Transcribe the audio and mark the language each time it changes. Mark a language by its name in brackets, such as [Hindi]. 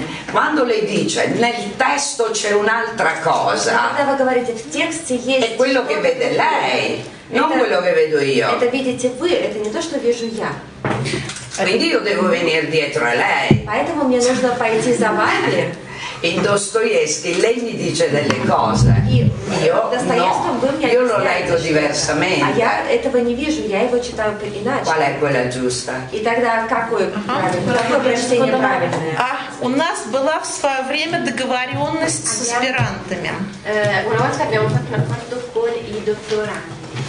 [Italian] Quando lei dice nel testo c'è un'altra cosa. È quello che vede lei, non quello che vedo io. [Russian] Это видите вы, это не то, что вижу я. [Italian] Quindi io devo venire dietro a lei. [Russian] Поэтому мне нужно пойти за вами. [Italian] In Dostoevskij, lei mi dice delle cose. Io no. Io lo leggo diversamente. [Russian] А я этого не вижу, я его читаю иначе. [Italian] Qual è quella giusta? [Russian] И тогда какое прочтение правильное? А у нас была в свое время договоренность с аспирантами. [Italian] Una volta abbiamo fatto un accordo con i dottorandi.